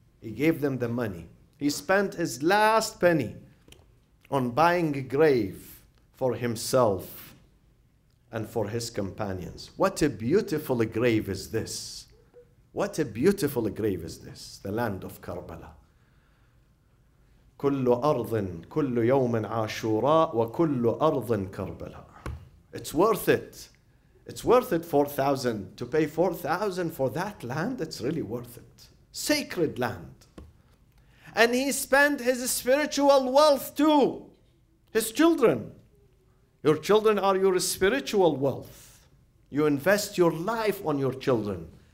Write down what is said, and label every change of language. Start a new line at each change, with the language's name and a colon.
English: He gave them the money. He spent his last penny on buying a grave for himself and for his companions. What a beautiful grave is this. What a beautiful grave is this, the land of Karbala.
Arabic: كل أرض كل يوم عاشوراء وكل أرض كربلاء.
English: It's worth it. It's worth it, 4,000. To pay 4,000 for that land, it's really worth it. Sacred land. And he spent his spiritual wealth too. His children. Your children are your spiritual wealth. You invest your life on your children.